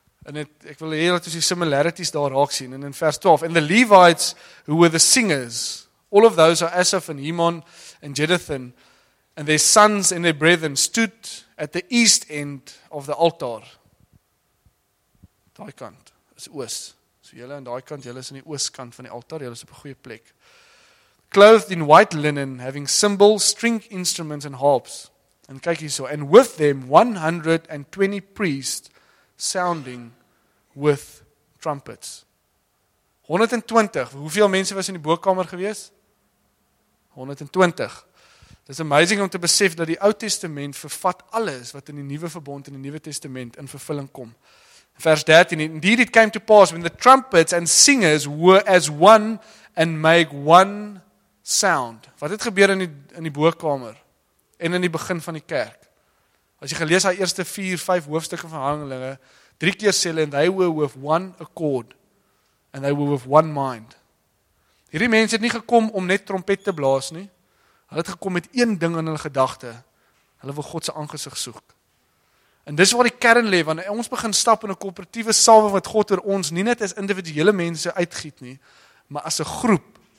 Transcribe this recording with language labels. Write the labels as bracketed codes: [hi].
[af] En het, ek wil hê dat ons die similarities daar raak sien en in vers 12, [en] and the Levites who were the singers, all of those are Asaph and Heman and Jeduthun and their sons and their brethren stood at the east end of the altar. [af] Daai kant is oos. So julle aan daai kant, julle is aan die ooskant van die altaar, julle is op 'n goeie plek. [en] Clothed in white linen, having cymbals, string instruments and harps. And [af] kyk hierso, [en] and with them 120 priests sounding with trumpets. [af] 120, hoeveel mense was in die bokkamer gewees? 120. Dit is amazing om te besef dat die Ou Testament vervat alles wat in die Nuwe Verbond en die Nuwe Testament in vervulling kom. [en] Vers 13, indeed it came to pass when the trumpets and singers were as one and make one sound. [af] Wat het gebeur in die bokkamer en in die begin van die kerk? As jy gelees die eerste 4-5 hoofstukke van Handelinge, 3 keer sê hulle, [en] and they were with one accord, and they were with one mind. [af] Hierdie mense het nie gekom om net trompet te blaas nie. Hulle het gekom met een ding in hulle gedagte. Hulle wil God se aangesig soek. En dis waar die kern lê, want ons begin stap in 'n koöperatiewe salwe wat God oor ons nie net as individuele mense uitgiet nie, maar as 'n groep.